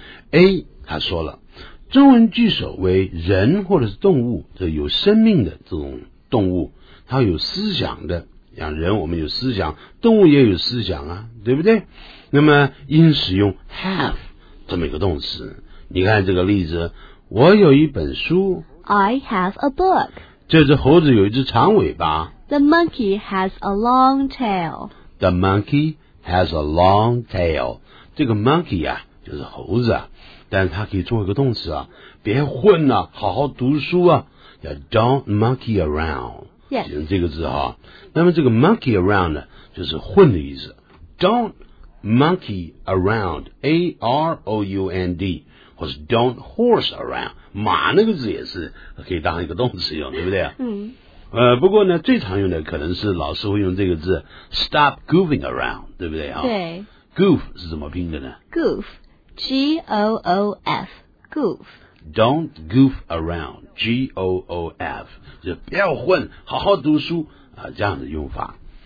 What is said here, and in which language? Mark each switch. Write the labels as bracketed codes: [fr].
[zh] A 他说了，中文句首为人或者是动物，这有生命的这种动物，它有思想的，像人我们有思想，动物也有思想啊，对不对？那么应使用 have 这么一个动词。你看这个例子，我有一本书 [en] I have a book， [zh] 这只猴子有一只长尾巴 [en] The monkey has a long tail， The monkey has a long tail， [zh] 这个 monkey 啊就是猴子啊，但是它可以做一个动词啊，别混啊，好好读书啊，叫 [en] don't monkey around， [zh] 写成这个字哈。那么这个 monkey around 呢，就是混的意思。 [en] don't monkey around， [zh] A R O U N D， 或是 [en] don't horse around， [zh] 马那个字也是可以当一个动词用，对不对？嗯。不过呢，最常用的可能是老师会用这个字 [en] stop goofing around， [zh] 对不对啊？对。 goof 是怎么拼的呢 [en] ？goof。 G-O-O-F Goof Don't goof around [zh] G-O-O-F 就不要混，好好读书啊，这样的用法。